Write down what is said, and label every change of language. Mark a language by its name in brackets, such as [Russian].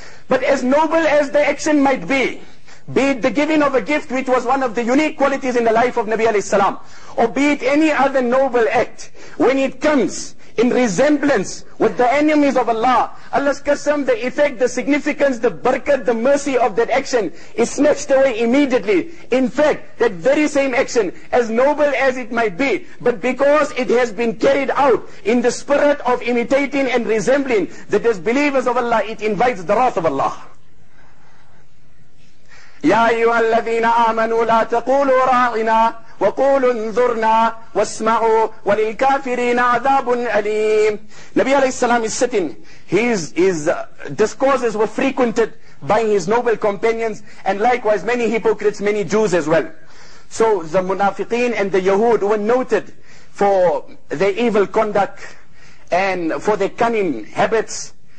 [English] But as noble as the action might be it the giving of a gift, which was one of the unique qualities in the life of Nabi alayhi salam, or be it any other noble act, when it comes in resemblance with the enemies of Allah, Allah's qasam, the effect, the significance, the barakat, the mercy of that action is snatched away immediately. In fact, that very same action, as noble as it might be, but because it has been carried out in the spirit of imitating and resembling the disbelievers of Allah, it invites the wrath of Allah. [Arabic] يا أيها الذين آمنوا لا تقولوا راعنا وقولوا انظرنا واسمعوا وللكافرين عذاب أليم. نبي عليه السلام [English] is sitting. His discourses were frequented by his noble companions and likewise many hypocrites, many Jews as well. So the Munafiqeen and the Yahud were noted for their evil conduct and for their cunning habits.